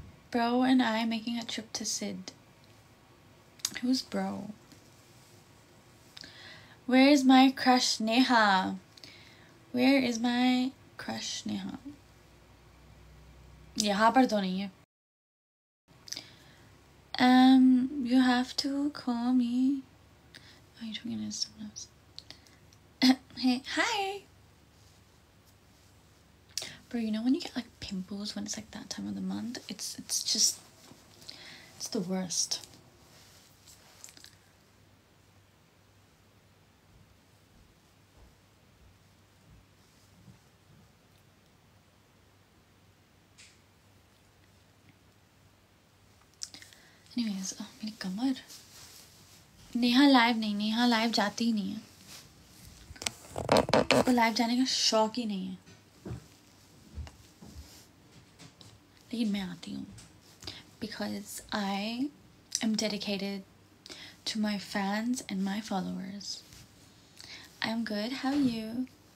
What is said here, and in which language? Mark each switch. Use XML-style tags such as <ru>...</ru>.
<en>Bro and I making a trip to Sid. Who's bro? Where is my crush Neha?</en> <hi>यहाँ पर तो नहीं है.</hi> <en>You have to call me. Oh, you're talking to someone else. Hey, hi. Bro, you know when you get like pimples when it's like that time of the month? It's just the worst.</en> <hi>Anyways, मेरी कमर. Neha live नहीं, Neha live जाती ही नहीं है. उसको live जाने का शौक ही नहीं है. लेकिन मैं आती who.</hi> <en>Because I am dedicated to my fans and my followers. I'm good, how are you?</en>